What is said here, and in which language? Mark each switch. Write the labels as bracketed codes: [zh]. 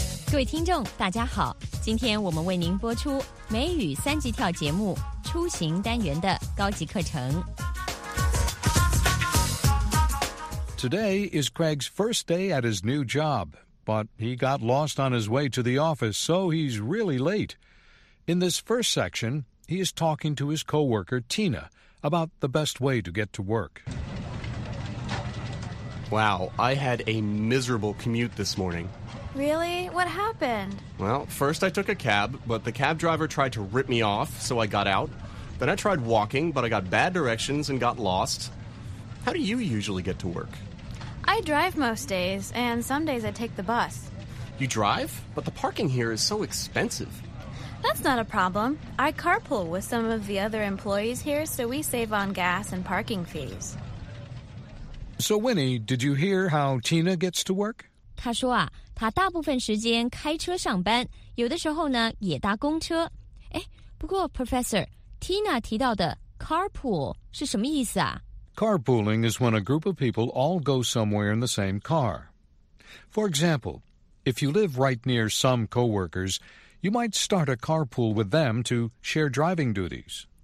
[zh] 各位听众大家好，今天我们为您播出美语三级跳节目出行单元的高级课程。 [en] Today is Craig's first day at his new job, but he got lost on his way to the office, so he's really late. In this first section, he is talking to his co-worker, Tina, about the best way to get to work. Wow, I had a miserable commute this morning. Really? What happened? Well, first I took a cab, but the cab driver tried to rip me off, so I got out. Then I tried walking, but I got bad directions and got lost. How do you usually get to work? I drive most days, and some days I take the bus. You drive? But the parking here is so expensive. That's not a problem. I carpool with some of the other employees here, so we save on gas and parking fees. So, Winnie, did you hear how Tina gets to work? [zh] 她说啊，她大部分时间开车上班，有的时候呢，也搭公车。哎，不过 Professor, Tina 提到的 carpool 是什么意思啊？ [en] Carpooling is when a group of people all go somewhere in the same car. For example, if you live right near some co-workers, you might start a carpool with them to share driving duties.